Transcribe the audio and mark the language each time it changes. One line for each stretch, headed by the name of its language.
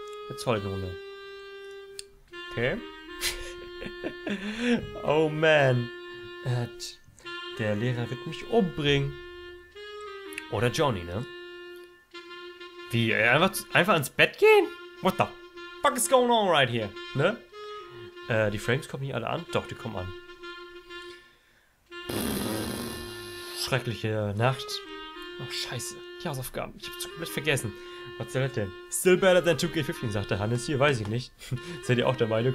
German: Jetzt folgen wir. Okay. Oh man. Der Lehrer wird mich umbringen. Oder Johnny, ne? Wie, einfach ins Bett gehen?
English: What the fuck is going on right here?
German: Ne? Die Frames kommen hier alle an? Doch, die kommen an. Schreckliche Nacht. Oh, scheiße. Die Hausaufgaben. Ich hab's komplett vergessen. Was soll das denn?
English: Still better than 2K15,
German: sagt der Hannes hier. Weiß ich nicht. Seid ihr auch der Meinung?